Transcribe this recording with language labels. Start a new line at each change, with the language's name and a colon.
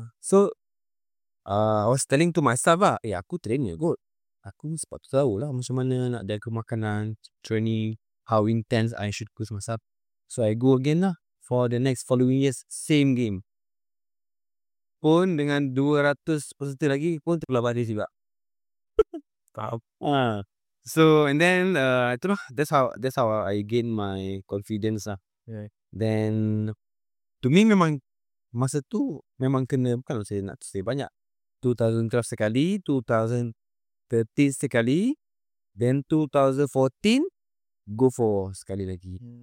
English: So, I was telling to myself lah,
Malay: aku trainer kot. Aku sebab tu tahu lah macam mana nak jaga makanan, training,
English: how intense I should push myself. So, I go again lah for the next following years, same game.
Malay: Pun dengan 200 peserta lagi pun terpulang balik juga.
English: So, and then, that's how I gain my confidence lah. Yeah.
Malay: Then to me memang masa tu memang kena, bukanlah saya nak stay banyak, 2012 sekali, 2013 sekali, then 2014 go for sekali lagi.